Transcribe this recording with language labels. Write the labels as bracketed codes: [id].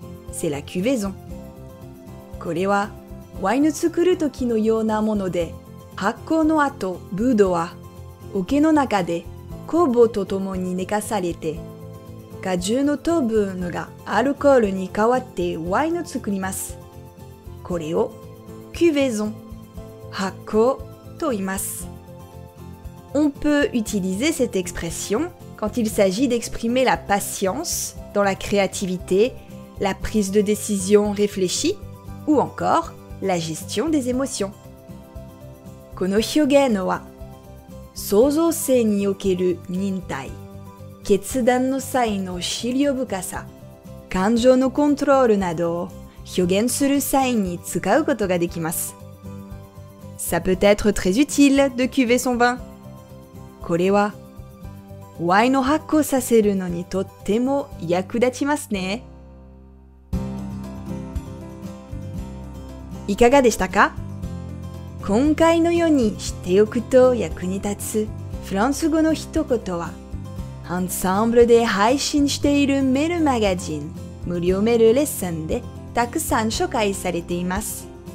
[fr] C'est la cuvaison. [ja] これはワイン作る時のようなもので、発酵の後、ブドウは桶の中で酵母とともに寝かされて、果汁の糖分がアルコールに変わってワインを作ります。これをキュベゾン、発酵と言います。 [fr] On peut utiliser cette expression quand il s'agit d'exprimer la patience dans la créativité, la prise de décision réfléchie ou encore la gestion des émotions. [ja] この表現は創造性における忍耐、決断の際の思慮深さ、感情のコントロールなどを表現する際に使うことができます。 [fr] Ça peut être très utile de cuver son vin. [ja] これはワインを発酵させるのにとっても役立ちますね。いかがでしたか？今回のように知っておくと役に立つフランス語の一言は、アンサンブルで配信しているメルマガジン無料メルレッスンでたくさん紹介されています。